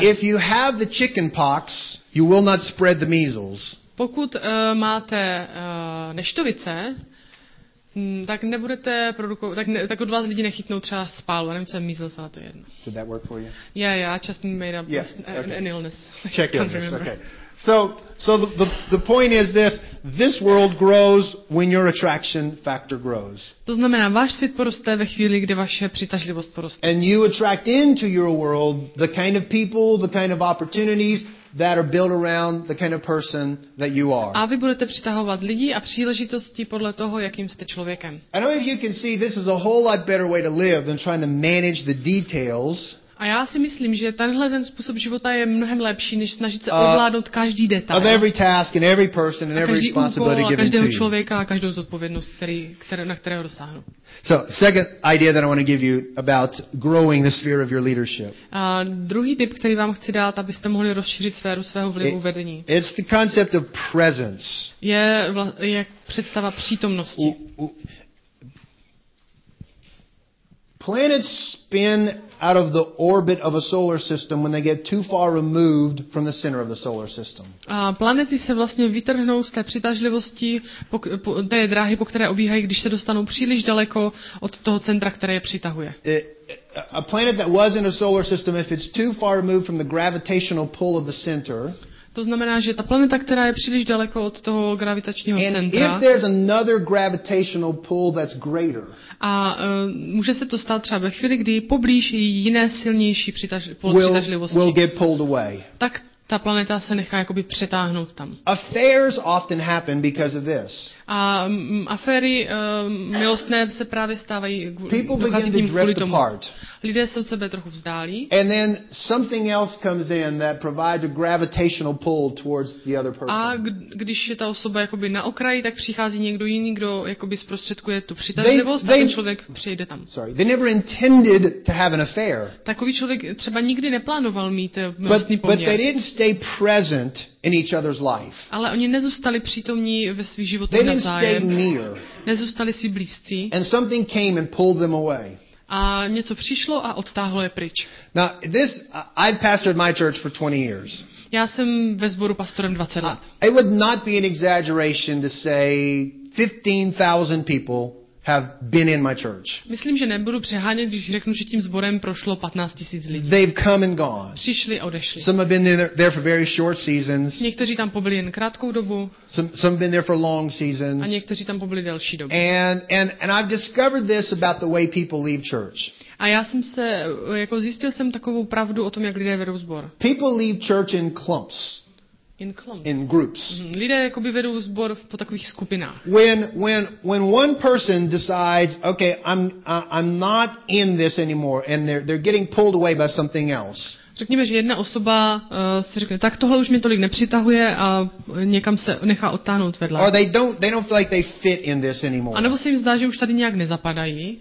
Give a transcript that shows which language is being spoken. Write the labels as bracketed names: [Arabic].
[English] If you have the chicken pox, you will not spread the measles. [Czech] Pokud máte neštovice, Tak nebudete produkovat, tak od vás lidi nechytnou třeba spálu, nevím, co je measles, ale to je jedno. [English] Did that work for you? Yeah, I just made up an illness. Check illness, okay. So the point is this world grows when your attraction factor grows. [Czech] To znamená, váš svět poroste ve chvíli, kdy vaše přitažlivost poroste. [English] And you attract into your world the kind of people, the kind of opportunities that are built around the kind of person that you are. [Czech] A vy budete přitahovat lidi a příležitosti podle toho, jakým jste člověkem. [English] I know if you can see this is a whole lot better way to live than trying to manage the details. [Czech] A já si myslím, že tenhle ten způsob života je mnohem lepší, než snažit se ovládnout každý detail. [English] Of every task and every person and every responsibility given to you. [Czech] Každého člověka a každou zodpovědnost, na kterého dosáhnu. [English] So, second idea that I want to give you about growing the sphere of your leadership. [Czech] A druhý tip, který vám chci dát, abyste mohli rozšířit sféru svého vlivu vedení. [English] It's the concept of presence. [Czech] Je představa přítomnosti. [English] Planets spin out of the orbit of a solar system when they get too far removed from the center of the solar system. [Czech] A planety se vlastně vytrhnou z té přitažlivosti té dráhy, po které obíhají, když se dostanou příliš daleko od toho centra, které je přitahuje. [English] A planet that was in a solar system, if it's too far removed from the gravitational pull of the center. [Czech] To znamená, že ta planeta, která je příliš daleko od toho gravitačního centra. [English] If there's another gravitational pull that's greater. [Czech] A může se to stát třeba ve chvíli, kdy poblíž jiné silnější přitažlivosti. [English] Will get pulled away. [Czech] Tak ta planeta se nechá jakoby přetáhnout tam. [English] Affairs often happen because of this. [Czech] A aféry milostné se právě stávají kvůli tomu. Lidé se od sebe trochu vzdálí. [English] And then something else comes in that provides a gravitational pull towards the other person. [Czech] A když je ta osoba jakoby na okraji, tak přichází někdo jiný, kdo jakoby zprostředkuje tu přitažlivost, a ten člověk přijde tam. [English] Sorry, they never intended to have an affair. [Czech] Takový člověk třeba nikdy neplánoval mít milostný poměr. [English] But they didn't stay present in each other's life. [Czech] Ale oni nezůstali přítomní ve svých životech navzájem. Nezůstali si blízcí. [English] And something came and pulled them away. [Czech] A něco přišlo a odtáhlo je pryč. [English] Now, this I've pastored my church for 20 years. [Czech] Já jsem ve sboru pastorem 20 let. [English] It would not be an exaggeration to say 15,000 people have been in my church. [Czech] Myslím, že nebudu přehánět, když řeknu, že tím sborem prošlo 15 000 lidí. [English] They've come and gone. [Czech] Přišli a odešli. [English] Some have been there for very short seasons. [Czech] Někteří tam pobyli jen krátkou dobu. [English] Some have been there for long seasons. [Czech] A někteří tam pobyli delší dobu. [English] And I've discovered this about the way people leave church. [Czech] A já jsem se jako zjistil jsem takovou pravdu o tom, jak lidé vedou sbor. [English] People leave church in clumps. In clumps. In groups. [Czech] Lidé jakoby vedou sbor po takových skupinách. [English] When one person decides, okay, I'm not in this anymore, and they're getting pulled away by something else. [Czech] Řekněme, že jedna osoba si řekne, tak tohle už mě tolik nepřitahuje a někam se nechá odtáhnout vedle. [English] Or they don't feel like they fit in this anymore. [Czech] A nebo se jim zdá, že už tady nějak nezapadají.